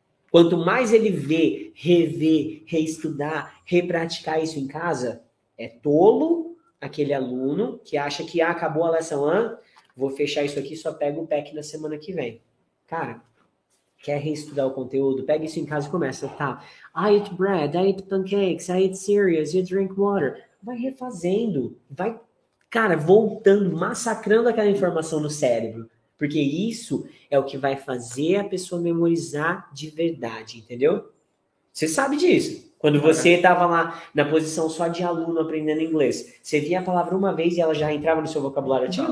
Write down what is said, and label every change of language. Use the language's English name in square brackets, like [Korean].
[Portuguese] Quanto mais ele vê, rever, reestudar, repraticar isso em casa, é tolo aquele aluno que acha que acabou a lição, vou fechar isso aqui, só pego o PEC na semana que vem. Cara, quer reestudar o conteúdo? Pega isso em casa e começa, tá? [English] I eat bread, I eat pancakes, I eat cereals, you drink water. [Portuguese] Vai refazendo, vai, cara, voltando, massacrando aquela informação no cérebro. Porque isso é o que vai fazer a pessoa memorizar de verdade, entendeu? Você sabe disso. Quando você estava lá na posição só de aluno aprendendo inglês, você via a palavra uma vez e ela já entrava no seu vocabulário ativo?